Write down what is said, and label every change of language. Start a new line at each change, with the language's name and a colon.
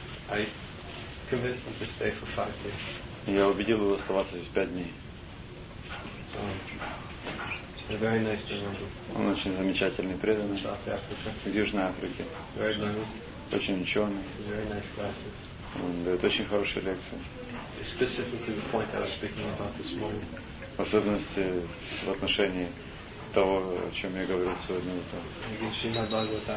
English: I convinced him to stay for 5 days.
Russian: Я убедил его оставаться здесь 5 дней.
English: So, very nice to remember.
Russian: Он очень замечательный преданный из Южной Африки.
English: Very nice.
Russian: Очень ученый.
English: Very nice classes.
Russian: Он дает очень хорошие лекции.
English: Specifically the point I was speaking about this morning.
Russian: В особенности в отношении того, о чем я говорил сегодня утром.